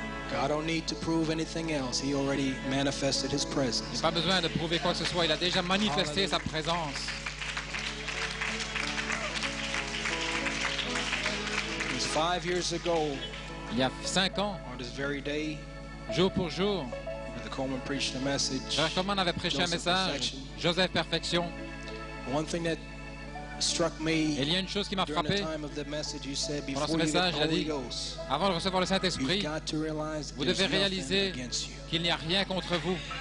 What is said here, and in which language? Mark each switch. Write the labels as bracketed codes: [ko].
[en] God don't need to prove anything else. He already manifested his presence. [fr] Pas besoin de prouver quoi que ce soit. Il a déjà manifesté sa présence. [en] It was 5 years ago. [fr] Il y a 5 ans. [en] On this very day. [fr] Jour pour jour. [en] Brother Coleman preached a message. [fr] Brother Coleman avait prêché un message. [en] Joseph Perfection. One thing that struck me. [fr] Il y a une chose qui m'a frappé. Pendant ce message, il a dit, avant de recevoir le Saint-Esprit, vous devez réaliser qu'il n'y a rien contre vous.